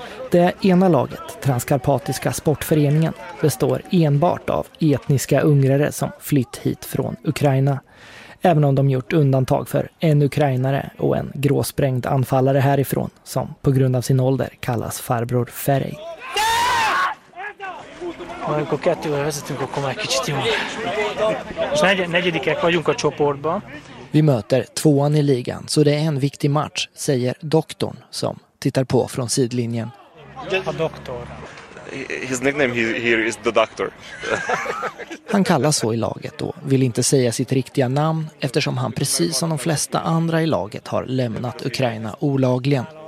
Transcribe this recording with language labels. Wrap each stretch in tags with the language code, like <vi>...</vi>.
<sv>Det ena laget, Transkarpatiska sportföreningen, består enbart av etniska ungrare som flytt hit från Ukraina. Även om de gjort undantag för en ukrainare och en gråsprängd anfallare härifrån som på grund av sin ålder kallas farbror Ferej.</sv> <hu>Olyan kettővel vezetünk, akkor már kicsit jó. És negyedikek vagyunk a csoportban.</hu> <sv>Vi möter tvåan i ligan, så det är en viktig match, säger doktorn som tittar på från sidlinjen.</sv> <en>His nickname here is the doctor.</en> <sv>Han kallas så i laget då, vill inte säga sitt riktiga namn eftersom han precis som de flesta andra i laget har lämnat Ukraina olagligen.</sv>